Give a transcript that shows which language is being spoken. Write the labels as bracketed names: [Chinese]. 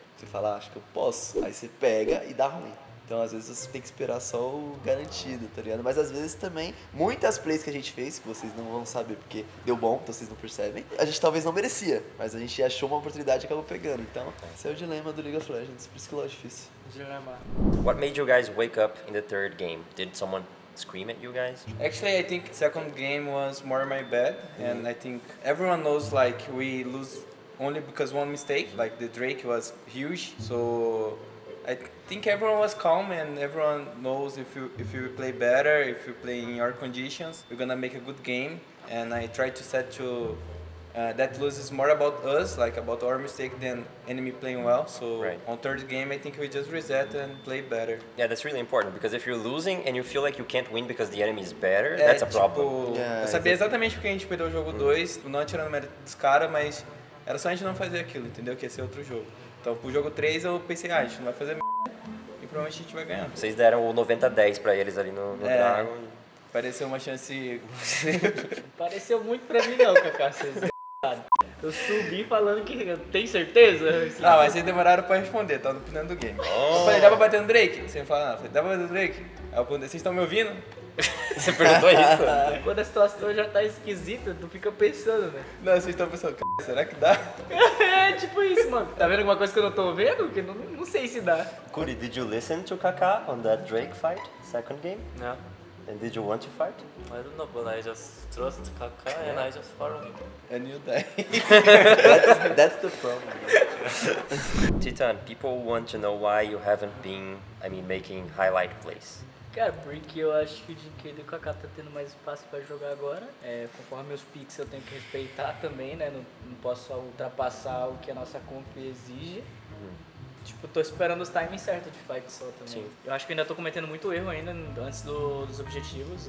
[Portuguese] Você fala, acho que eu posso. Aí você pega e dá ruim. Então às vezes você tem que esperar só o garantido, tá ligado? Mas às vezes também, muitas plays que a gente fez, que vocês não vão saber porque deu bom, então vocês não percebem, a gente talvez não merecia, mas a gente achou uma oportunidade e acabou pegando. Então, esse é o dilema do League of Legends, por isso que é difícil. Dilema. [English] What made you guys wake up in the third game? Did someone scream at you guys? Actually, I think second game was more my bad, and I think everyone knows, like, we lose only because one mistake, like the Drake was huge, so I think everyone was calm and everyone knows if you play better, if you play in your conditions, you're gonna make a good game. And I tried to set to that lose is more about us, like about our mistake than enemy playing well. So right. On third game, I think we just reset and play better. Yeah, that's really important because if you're losing and you feel like you can't win because the enemy is better, that's a problem. [Portuguese] Yeah, eu sabia exatamente porque a gente perdeu o jogo 2, não atirando mérito dos caras, mas era só a gente não fazer aquilo, entendeu? Que ia ser outro jogo. Então, pro jogo 3, eu pensei, a gente não vai fazer merda e provavelmente a gente vai ganhar. Vocês deram o 90-10 pra eles ali no Dragon. Pareceu uma chance... Pareceu muito pra mim não, Kaká, vocês... Eu subi falando que... Tem certeza? Ah, mas vocês demoraram pra responder, tava no final do game. Eu falei, dá pra bater no Drake? Você me falou, dá pra bater no Drake? Aí eu perguntei, vocês estão me ouvindo? Você perguntou isso? Quando a situação já tá esquisita, tu fica pensando, né? Não, vocês estão pensando, será que dá? É tipo isso, mano. Tá vendo alguma coisa que eu não tô vendo? Que não sei se dá. [English] Kuri, did you listen to Kaká on that Drake fight, second game? No. And did you want to fight? I don't know, but I just trust Kaká and I just follow him. And you die. that's the problem. Titan, people want to know why you haven't been, I mean, making highlight plays. [Portuguese] Cara, porque eu acho que o Jinkedo e o Kaká tá tendo mais espaço pra jogar agora. É, conforme meus picks eu tenho que respeitar também, né? Não posso ultrapassar o que a nossa comp exige. Tipo, tô esperando os timings certos de fight só também. Sim. Eu acho que ainda tô cometendo muito erro ainda antes dos objetivos.